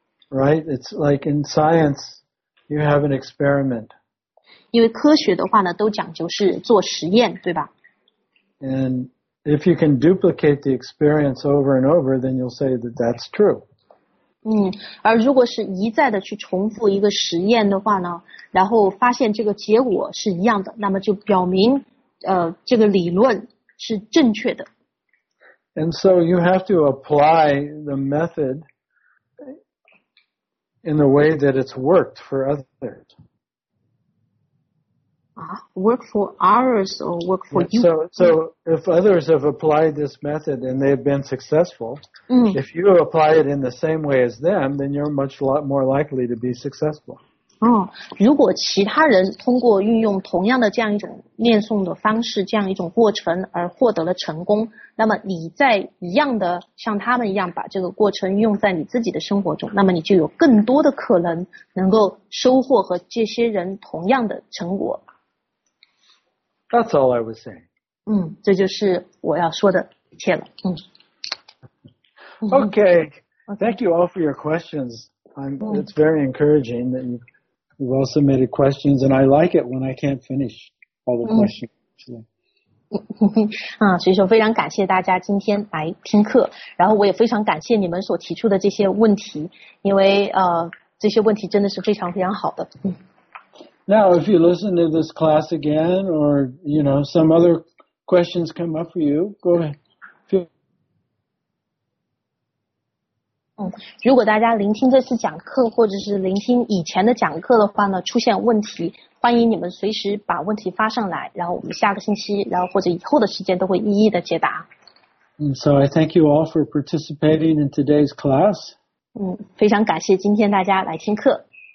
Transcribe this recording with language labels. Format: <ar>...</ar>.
<en>Right, it's like in science, you have an experiment.</en> <zh>因为科学的话呢，都讲究是做实验，对吧？</zh> <en>And if you can duplicate the experience over and over, then you'll say that that's true.</en> <zh>而如果是一再的去重复一个实验的话呢，然后发现这个结果是一样的，那么就表明这个理论是正确的。</zh> <en>And so you have to apply the method in the way that it's worked for others. Work for ours or work for you? So if others have applied this method and they've been successful, if you apply it in the same way as them, then you're much lot more likely to be successful.</en> <zh>如果其他人通过运用同样的这样一种念诵的方式，这样一种过程而获得了成功，那么你在一样的像他们一样把这个过程用在你自己的生活中，那么你就有更多的可能能够收获和这些人同样的成果。</zh> <en>That's all I was saying.</en> <zh>这就是我要说的一切了。</zh> <en>Okay, thank you all for your questions. It's very encouraging that you've all submitted questions, and I like it when I can't finish all the questions.</en> <zh>所以说非常感谢大家今天来听课，然后我也非常感谢你们所提出的这些问题，因为这些问题真的是非常非常好的。</zh> <en>Now, if you listen to this class again, or, you know, some other questions come up for you, go ahead.</en> <zh>如果大家聆听这次讲课或者是聆听以前的讲课的话呢，出现问题，欢迎你们随时把问题发上来，然后我们下个星期，然后或者以后的时间都会一一的解答。</zh> <en>So I thank you all for participating in today's class.</en> <zh>非常感谢今天大家来听课。</zh>